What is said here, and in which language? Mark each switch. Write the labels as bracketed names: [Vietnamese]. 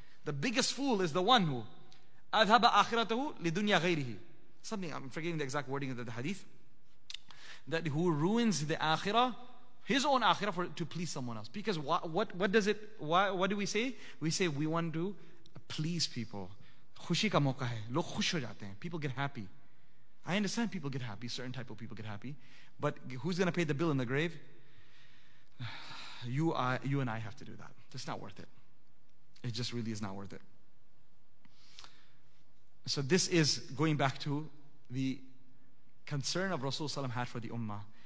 [English] The biggest fool is the one who [Arabic] اذهب آخرته لدنیا غیره. [English] Something, I'm forgetting the exact wording of the hadith, that who ruins the akhirah, his own akhirah, to please someone else. Because what do we say? We say we want to please people. [Urdu] خوشی کا موقع ہے, لوگ خوش ہو جاتے ہیں, [English] people get happy. I understand people get happy, certain type of people get happy, but who's going to pay the bill in the grave? You and I have to do that. It's not worth it. It just really is not worth it. So this is going back to the concern of Rasulullah had for the ummah.